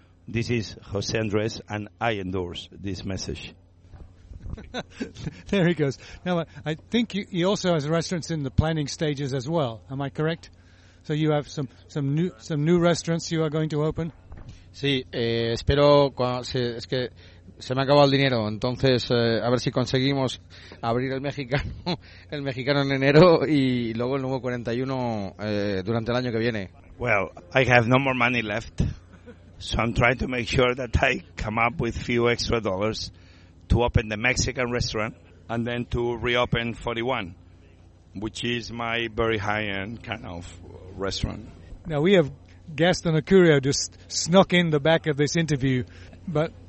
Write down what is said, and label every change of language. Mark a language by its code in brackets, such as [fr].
[en] This is José Andrés, and I endorse this message. There he goes. Now, I think he also has restaurants in the planning stages as well. Am I correct? So you have some new restaurants you are going to open? [es] Sí, espero... es que... Se me ha acabado el dinero, entonces a ver si conseguimos abrir el mexicano en enero y luego el nuevo 41 durante el año que viene. [en] Well, I have no more money left, so I'm trying to make sure that I come up with few extra dollars to open the Mexican restaurant and then to reopen 41, which is my very high-end kind of restaurant. Now, we have Gaston Acurio just snuck in the back of this interview, but...